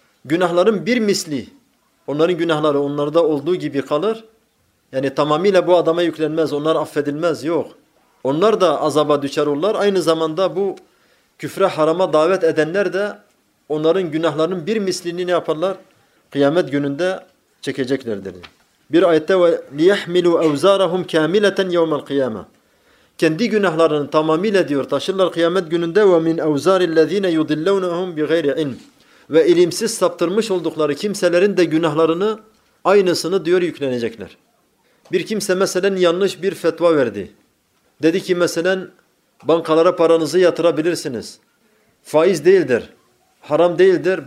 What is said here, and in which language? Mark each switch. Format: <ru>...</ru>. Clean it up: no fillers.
<tr>Günahların bir misli. Onların günahları onlarda olduğu gibi kalır. Yani tamamıyla bu adama yüklenmez, onlar affedilmez, yok. Onlar da azaba düşer olurlar. Aynı zamanda bu küfre, harama davet edenler de onların günahlarının bir mislini ne yaparlar? Kıyamet gününde çekeceklerdir. Bir ayette</tr> <ar>لِيَحْمِلُوا اَوْزَارَهُمْ كَامِلَةً يَوْمَ الْقِيَامَةِ.</ar> <tr>Kendi günahlarını tamamıyla diyor taşırlar kıyamet gününde.</tr> <ar>وَمِنْ اَوْزَارِ الَّذ۪ينَ يُضِلَّوْنَهُمْ بِغَيْرِ عِلْمٍ.</ar> <tr>Ve ilimsiz saptırmış oldukları kimselerin de günahlarını aynısını diyor yüklenecekler. Bir kimse mesela yanlış bir fetva verdi. Dedi ki mesela bankalara paranızı yatırabilirsiniz. Faiz değildir. Haram değildir.</tr>